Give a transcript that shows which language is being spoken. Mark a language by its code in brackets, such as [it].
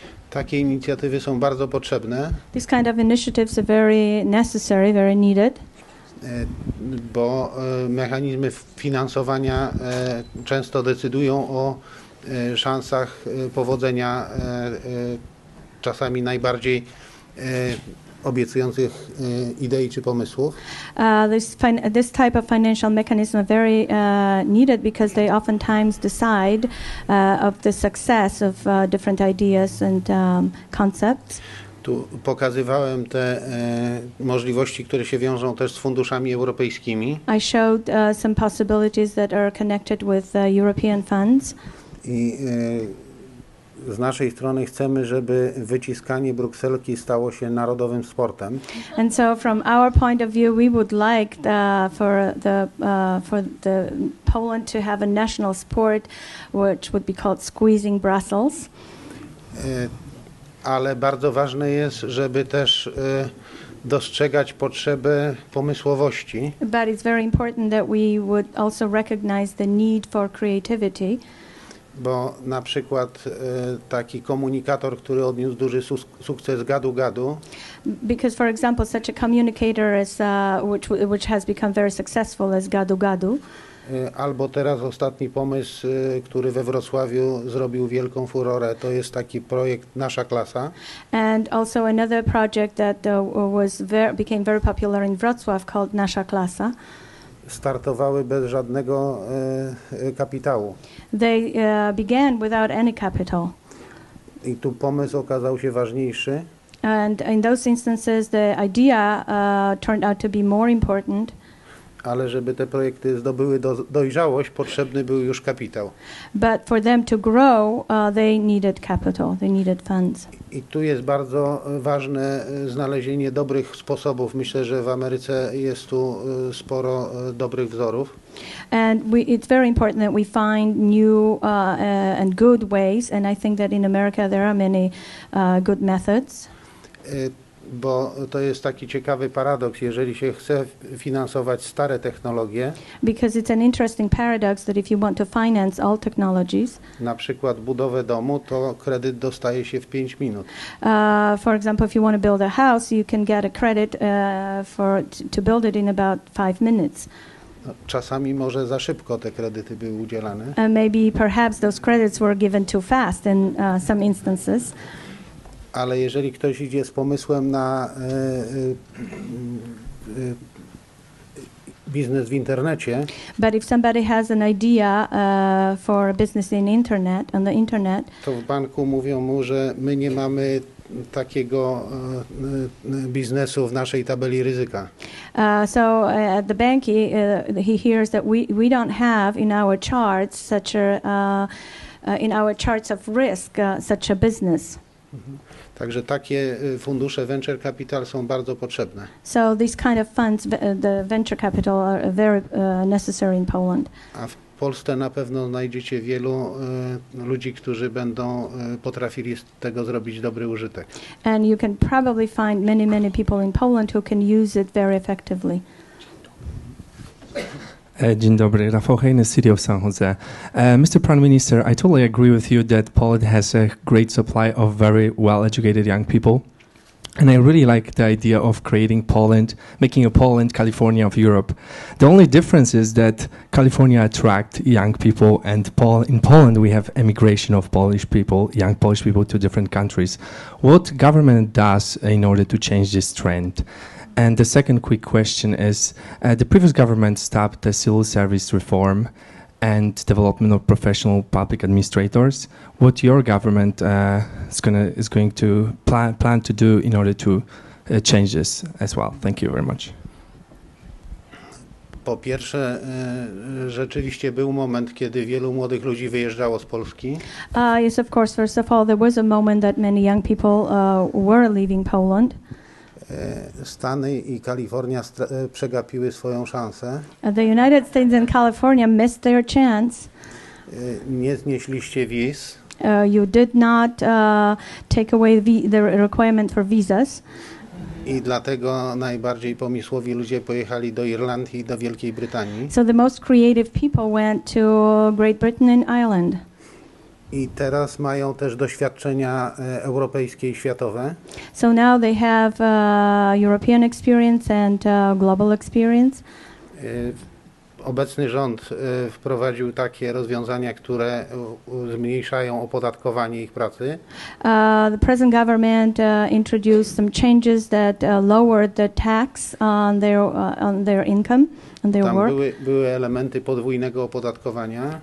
[pl] Takie inicjatywy są bardzo potrzebne. [en] These kind of initiatives are very necessary, very needed. [pl] Bo mechanizmy finansowania często decydują o szansach powodzenia czasami najbardziej obiecujących idei czy pomysłów. [en] This type of financial mechanism are very needed because they oftentimes decide of the success of different ideas and concepts. [pl] Tu pokazywałem te możliwości, które się wiążą też z funduszami europejskimi. [en] I showed some possibilities that are connected with European funds. [pl] I z naszej strony chcemy, żeby wyciskanie brukselki stało się narodowym sportem. [en] And so from our point of view, we would like the, for the Poland to have a national sport, which would be called squeezing Brussels. [pl] Ale bardzo ważne jest, żeby też dostrzegać potrzeby pomysłowości. [en] But it's very important that we would also recognize the need for creativity. [pl] Bo na przykład taki komunikator, który odniósł duży sukces gadu-gadu. [en] Because for example such a communicator as which has become very successful as gadu-gadu. [pl] Albo teraz ostatni pomysł, który we Wrocławiu zrobił wielką furorę, to jest taki projekt Nasza Klasa. [en] And also another project that became very popular in Wrocław called Nasza Klasa. [pl] Startowały bez żadnego kapitału. [en] They began without any capital. [pl] I tu pomysł okazał się ważniejszy. [en] And in those instances the idea turned out to be more important. [pl] Ale żeby te projekty zdobyły dojrzałość, potrzebny był już kapitał. [en] But for them to grow, they needed capital, they needed funds. [pl] I tu jest bardzo ważne znalezienie dobrych sposobów. Myślę, że w Ameryce jest tu sporo dobrych wzorów. [en] And it's very important that we find new and good ways, and I think that in America there are many good methods. [pl] Bo to jest taki ciekawy paradoks, jeżeli się chce finansować stare technologie. [en] Because it's an interesting paradox that if you want to finance all technologies. [pl] Na przykład budowę domu, to kredyt dostaje się w 5 minut. [en] For example, if you want to build a house, you can get a credit to build it in about 5 minutes. [pl] Czasami może za szybko te kredyty były udzielane. [en] Maybe perhaps those credits were given too fast in some instances. [pl] Ale jeżeli ktoś idzie z pomysłem na biznes w internecie, [en] but if somebody has an idea for a business in internet, on the internet, [pl] to w banku mówią mu, że my nie mamy takiego biznesu w naszej tabeli ryzyka. [en] So at the bank he hears that we don't have in our charts such a in our charts of risk such a business. [pl] Także takie fundusze venture capital są bardzo potrzebne. [en] So these kind of funds, the venture capital are very necessary in Poland. [pl] A w Polsce na pewno znajdziecie wielu ludzi, którzy będą potrafili z tego zrobić dobry użytek. [en] And you can probably find many, many people in Poland who can use it very effectively. [pl] Dzień dobry, [en] Rafał Hejny, City of San Jose. Mr. Prime Minister, I totally agree with you that Poland has a great supply of very well-educated young people. And I really like the idea of creating Poland, making a Poland California of Europe. The only difference is that California attracts young people, and in Poland we have emigration of Polish people, young Polish people to different countries. What government does in order to change this trend? And the second quick question is, the previous government stopped the civil service reform and development of professional public administrators. What your government is going to plan to do in order to change this as well? Thank you very much. [pl] Po pierwsze, rzeczywiście był moment, kiedy wielu młodych ludzi wyjeżdżało z Polski. [en] Yes, of course, first of all, there was a moment that many young people were leaving Poland. [pl] Stany i Kalifornia przegapiły swoją szansę. [en] The United States and California missed their chance. [pl] Nie znieśliście wiz. [en] You did not take away the requirement for visas. [pl] I dlatego najbardziej pomysłowi ludzie pojechali do Irlandii i do Wielkiej Brytanii. [en] So the most creative people went to Great Britain and Ireland. [pl] I teraz mają też doświadczenia europejskie i światowe. [en] So now they have European experience and global experience. [pl] Obecny rząd wprowadził takie rozwiązania, które zmniejszają opodatkowanie ich pracy. [en] The present government introduced some changes that lowered the tax on their income and their [pl] tam [en] work. [pl] Były elementy podwójnego opodatkowania.